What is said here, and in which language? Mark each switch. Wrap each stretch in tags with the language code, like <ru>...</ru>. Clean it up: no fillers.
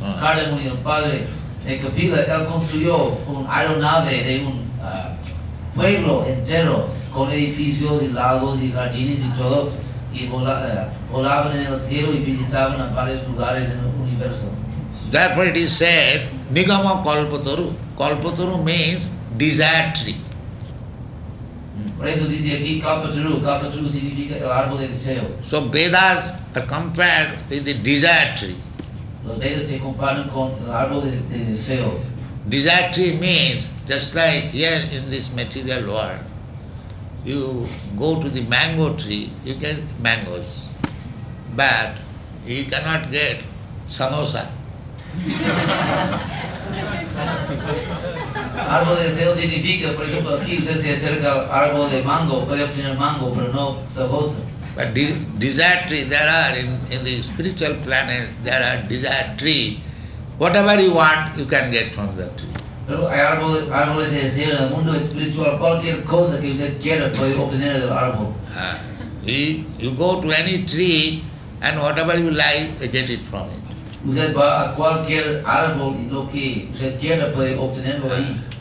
<es>Kardamuni, el padre de Kapila, él construyó un aeronave de un pueblo entero con edificios y lagos y jardines y todo, y volaban en el cielo y visitaban varios lugares en el universo.</es> <en>Therefore it is said, Nigama Kalpataru. Kalpataru means desire tree.</en> <es>Por eso dice aquí Kalpataru. Kalpataru significa el árbol de deseo.</es> <en>So Vedas are compared with the desire tree.</en> <es>Los Vedas se comparan con el árbol de deseo.</es> <en>Desire tree means, just like here in this material world, you go to the mango tree, you get mangoes, but you cannot get samosa.</en> <es>Árbol de deseo significa, por ejemplo, aquí usted se acerca al árbol de mango, puede obtener mango, pero no samosa.</es> <en>But desire tree, there are in the spiritual planet, there are desire tree. Whatever you want, you can get from that tree.</en> <es>Pero hay árboles de deseo en el mundo espiritual, cualquier cosa que usted quiera puede obtener del árbol.</es> <en>You go to any tree and whatever you like, you get it from it.</en> <es>Usted va a cualquier árbol y lo que usted quiera puede obtenerlo ahí.</es>